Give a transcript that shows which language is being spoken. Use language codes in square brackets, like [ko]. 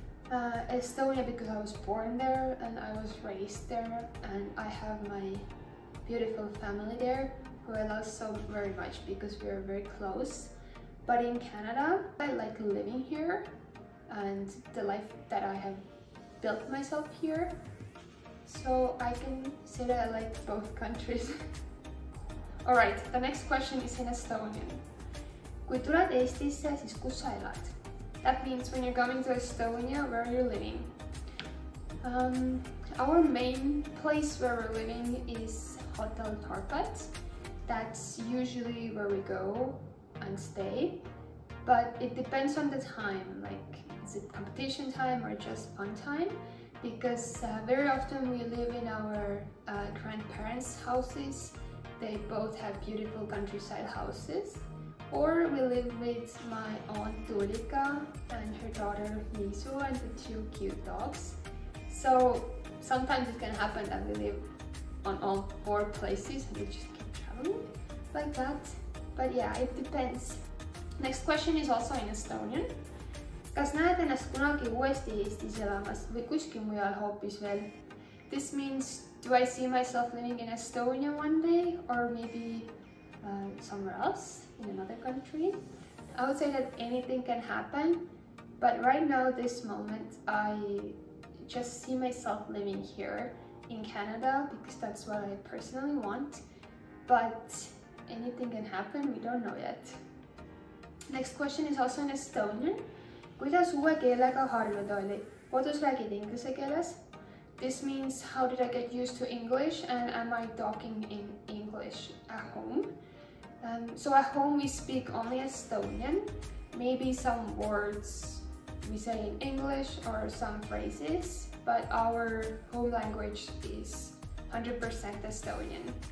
[en] Estonia because I was born there and I was raised there, and I have my beautiful family there who I love so very much because we are very close. But in Canada, I like living here and the life that I have built myself here, so I can say that I like both countries. All right, the next question is in Estonian. [et] Kui tuled Eestisse, siis kus sa elad? [en] That means when you're coming to Estonia, where you're living. Our main place where we're living is Hotel Tarpat. That's usually where we go and stay. But it depends on the time, like is it competition time or just fun time? Because very often we live in our grandparents' houses. They both have beautiful countryside houses. Or we live with my aunt Tulika and her daughter Misu and the two cute dogs. So sometimes it can happen that we live on all four places and we just keep traveling like that. But yeah, it depends. Next question is also in Estonian. [et] Kas näed ennast kunagi uuesti Eestis elamas või kuskil mujal hoopis veel? [en] This means, do I see myself living in Estonia one day, or maybe somewhere else in another country? I would say that anything can happen, but right now, this moment, I just see myself living here in Canada because that's what I personally want, but anything can happen, we don't know yet. Next question is also in Estonian. [et] Kuidas uue keelega harjunud oli? Kodus räägid inglise keeles? [en] This means, how did I get used to English and am I talking in English at home? So at home we speak only Estonian. Maybe some words we say in English or some phrases, but our home language is 100% Estonian.